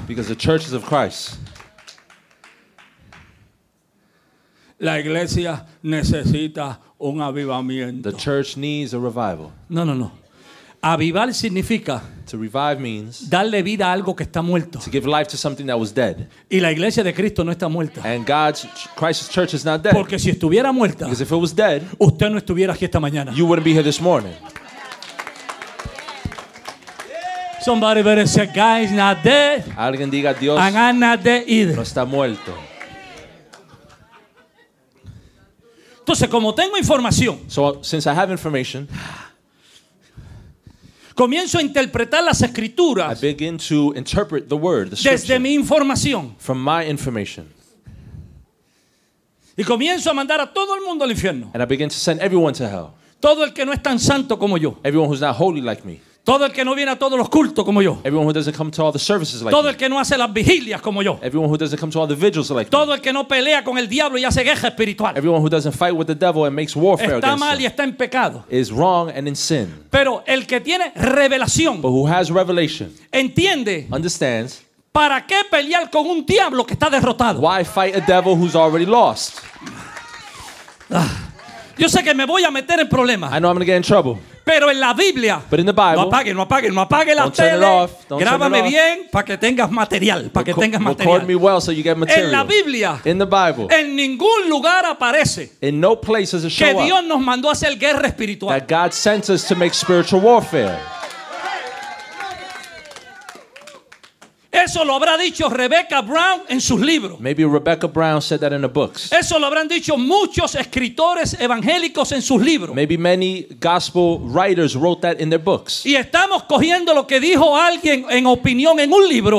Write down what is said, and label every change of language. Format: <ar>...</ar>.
<en>Because the church is of Christ.</en> <es>La iglesia necesita un avivamiento.</es> <en>The church needs a revival.</en> <es>No, no, no. Avivar significa</es> <en>to revive means</en> <es>darle vida a algo que está muerto.</es> <en>To give life to something that was dead.</en> <es>Y la iglesia de Cristo no está muerta.</es> <en>And God's Christ's church is not dead.</en> <es>Porque si estuviera muerta,</es> <en>because if it was dead,</en> <es>usted no estuviera aquí esta mañana.</es> <en>You wouldn't be here this morning. Somebody better say, God's not dead.</en> <es>Alguien diga, Dios</es> <en>and I'm not dead either.</en> <es>No está muerto. Entonces, como tengo información,</es> <en>so, since I have information,</en> <es>comienzo a interpretar las escrituras.</es> <en>I begin to interpret the word, the</en> <es>scripture, desde mi información.</es> <en>From my information.</en> <es>Y comienzo a mandar a todo el mundo al infierno.</es> <en>And I begin to send everyone to hell.</en> <es>Todo el que no es tan santo como yo.</es> <en>Everyone who's not holy like me.</en> <es>Todo el que no viene a todos los cultos como yo.</es> <en>Everyone who doesn't come to all the services like</en> <es>Todo</es> <en>me.</en> <es>El que no hace las vigilias como yo.</es> <en>Everyone who doesn't come to all the vigils like</en> <es>Todo</es> <en>me.</en> <es>El que no pelea con el diablo y hace guerra espiritual.</es> <en>Everyone who doesn't fight with the devil and makes warfare</en> <es>está</es> <en>against</en> <es>Está mal</es> <en>him.</en> <es>Y está en pecado.</es> <en>Is wrong and in sin.</en> <es>Pero el que tiene revelación.</es> <en>But who has revelation.</en> <es>Entiende.</es> <en>Understands.</en> <es>¿Para qué pelear con un diablo que está derrotado?</es> <en>Why fight a devil who's already lost?</en> <es>Yo sé que me voy a meter en problemas.</es> <en>I know I'm going to get in trouble.</en> <es>Pero en la Biblia.</es> <en>But in the Bible.</en> <es>No apague la</es> <en>tele. Don't turn it off.</en> <es>Grábame bien para que tengas material. Para que tengas material.</es> <en>Record me well so you get material.</en> <es>En la Biblia.</es> <en>In the Bible.</en> <es>En ningún lugar aparece.</es> <en>In no place does it show</en> <es>up. Que Dios</es> <en>up,</en> <es>nos mandó a hacer guerra espiritual.</es> <en>That God sent us to make spiritual warfare.</en> <es>Eso lo habrá dicho Rebecca Brown en sus libros.</es> <en>Maybe Rebecca Brown said that in the books.</en> <es>Eso lo habrán dicho muchos escritores evangélicos en sus libros.</es> <en>Maybe many gospel writers wrote that in their books.</en> <es>Y estamos cogiendo lo que dijo alguien en opinión en un libro.</es>